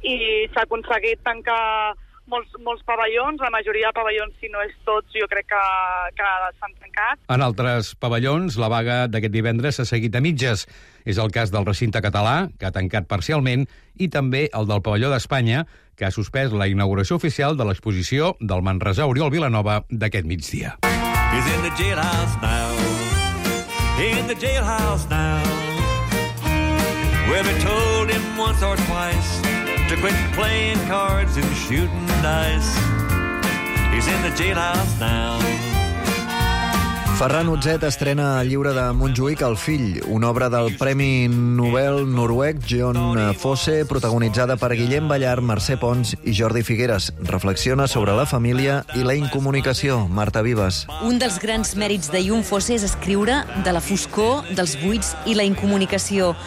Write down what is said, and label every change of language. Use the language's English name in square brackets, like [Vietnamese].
[Catalan] I s'ha aconseguit tancar molts pavellons, la majoria de pavellons, si no és tots, jo crec que s'han tancat. En altres pavellons, la vaga d'aquest divendres s'ha seguit a mitges. És el cas del recinte català, que ha tancat parcialment, i també el del pavelló d'Espanya, que ha suspès la inauguració oficial de l'exposició del manresà Oriol Vilanova d'aquest migdia. [English] He's in the jailhouse now. In the jailhouse now. We've been told him once or twice to quit playing cards and shooting dice. He's in the jailhouse now. [Catalan] Ferran Utzet estrena el llibre de Montjuïc, El fill, una obra del Premi Nobel noruec John Fosse, protagonitzada per Guillem Ballart, Mercè Pons i Jordi Figueres. Reflexiona sobre la família i la incomunicació. Marta Vives. Un dels grans mèrits de Jon Fosse és escriure de la foscor, dels buits i la incomunicació.